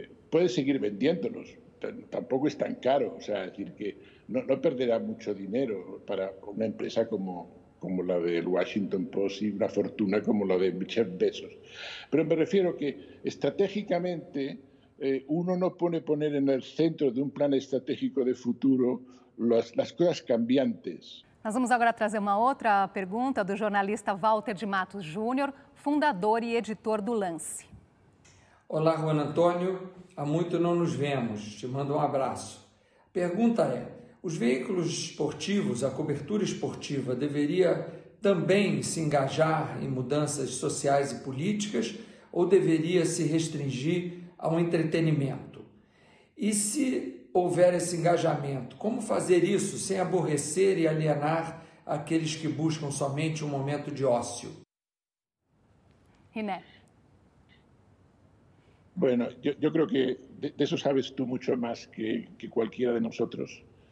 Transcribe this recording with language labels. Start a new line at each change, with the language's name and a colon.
Spanish: Puede seguir vendiéndolos, tampoco es tan caro, o sea, decir que no perderá mucho dinero para una empresa como la del Washington Post y una fortuna como la de Jeff Bezos. Pero me refiero que estratégicamente uno no puede poner en el centro de un plan estratégico de futuro las cosas cambiantes.
Portuguese: Nós vamos agora trazer uma outra pergunta do jornalista Walter de Matos Júnior, fundador e editor do Lance. Olá, Juan Antonio. Há muito não nos vemos. Te mando um abraço. Pergunta é: os veículos esportivos, a cobertura esportiva, deveria também se engajar em mudanças sociais e políticas ou deveria se restringir ao entretenimento? E se houver esse engajamento? Como fazer isso sem aborrecer e alienar aqueles que buscam somente um momento de ócio? Riné.
Spanish: Bueno, yo creo que de eso sabes tú mucho más que cualquiera de nosotros.